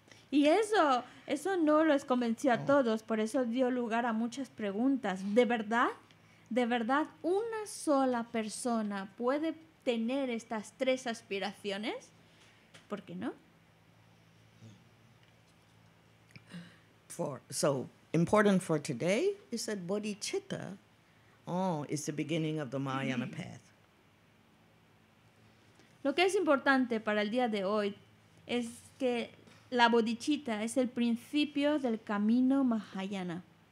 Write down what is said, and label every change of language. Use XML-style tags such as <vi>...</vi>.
<es>Y eso no los convenció a todos, por eso dio lugar a muchas preguntas. ¿De verdad? ¿De verdad una sola persona puede tener estas tres aspiraciones? ¿Por qué no?</es> <en>So, important for today is that bodhicitta is the beginning of the Mahayana path.</en> <es>Lo que es importante para el día de hoy es que la bodhicitta es el principio del camino Mahayana.</es>